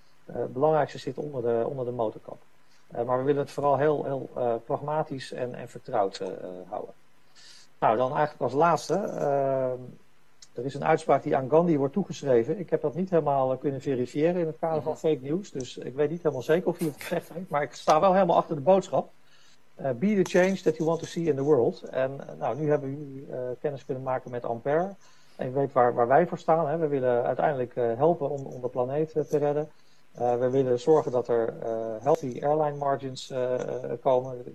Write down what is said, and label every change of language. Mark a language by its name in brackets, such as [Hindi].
[Dutch] Het belangrijkste zit onder de motorkap. Maar we willen het vooral heel pragmatisch en vertrouwd houden. Nou, dan eigenlijk als laatste. Er is een uitspraak die aan Gandhi wordt toegeschreven. Ik heb dat niet helemaal kunnen verifiëren in het kader van fake news. Dus ik weet niet helemaal zeker of hij het gezegd heeft. Maar ik sta wel helemaal achter de boodschap. [English] Be the change that you want to see in the world. [Dutch] En nu hebben jullie kennis kunnen maken met Ampère. En je weet waar wij voor staan. Hè? We willen uiteindelijk helpen om de planeet te redden. We willen zorgen dat er [English] healthy airline margins [Dutch] komen.